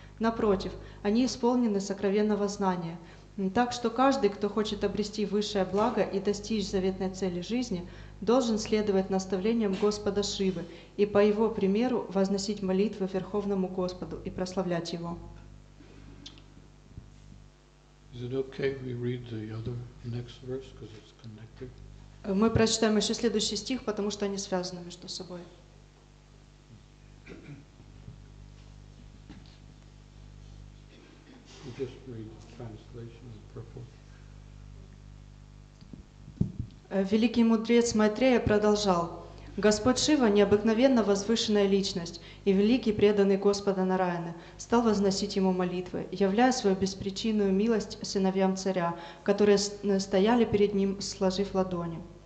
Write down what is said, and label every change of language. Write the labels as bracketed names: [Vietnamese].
[Russian] Напротив, они исполнены сокровенного знания. Так что каждый, кто хочет обрести высшее благо и достичь заветной цели жизни, должен следовать наставлениям Господа Шивы и по его примеру возносить молитвы Верховному Господу и прославлять его. [English] Is it okay if we read the other next verse, because it's connected? [Russian] Мы прочитаем еще следующий стих, потому что они связаны между собой. [English] Just read the translation in purple. [Russian] Великий мудрец Майтрея продолжал. Господь Шива, необыкновенно возвышенная личность и великий преданный Господа Нараяны, стал возносить ему молитвы, являя свою беспричинную милость сыновьям царя, которые стояли перед ним, сложив ладони.